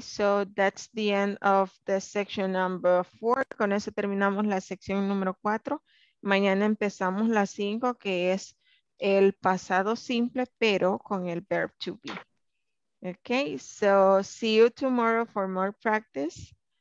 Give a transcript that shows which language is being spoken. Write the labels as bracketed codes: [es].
[en] so that's the end of the section number 4. [es] Con eso terminamos la sección número 4. Mañana empezamos la 5, que es el pasado simple, pero con el verb to be. [en] Okay, so see you tomorrow for more practice.